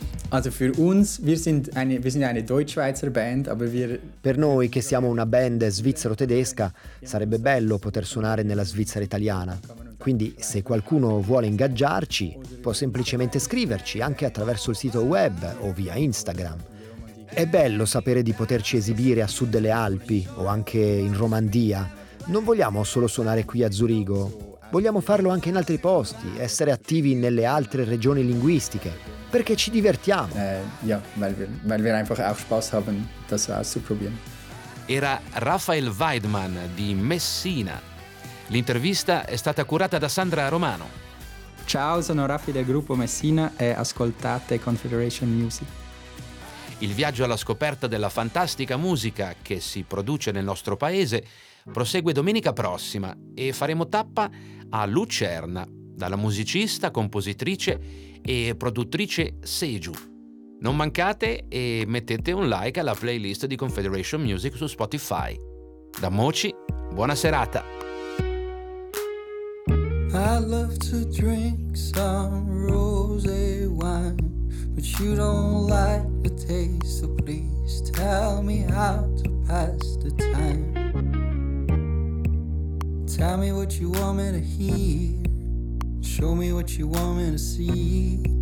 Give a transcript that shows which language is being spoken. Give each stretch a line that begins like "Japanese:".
German: Also für uns, wir sind eine Deutschschweizer Band, aber wir...
Italian: Per noi che siamo una band svizzero-tedesca, sarebbe bello poter suonare nella Svizzera italiana. Quindi se qualcuno vuole ingaggiarci, può semplicemente scriverci anche attraverso il sito web o via Instagram. È bello sapere di poterci esibire a sud delle Alpi o anche in Romandia. Non vogliamo solo suonare qui a Zurigo. Vogliamo farlo anche in altri posti, essere attivi nelle altre regioni linguistiche, perché ci divertiamo.
German: Weil wir einfach auch Spaß haben, das auszuprobieren.
Italian: Era Raphael Weidman di Messina. L'intervista è stata curata da Sandra Romano. Ciao, sono Raffi del gruppo Messina e ascoltate Confederation Music. Il viaggio alla scoperta della fantastica musica che si produce nel nostro paese prosegue domenica prossima e faremo tappa a Lucerna, dalla musicista, compositrice e produttrice Seju. Non mancate e mettete un like alla playlist di Confederation Music su Spotify. Da Moci, buona serata!
English: I love to drink some rosé wine, but you don't like the taste, so please tell me how to pass the time. Tell me what you want me to hear, show me what you want me to see.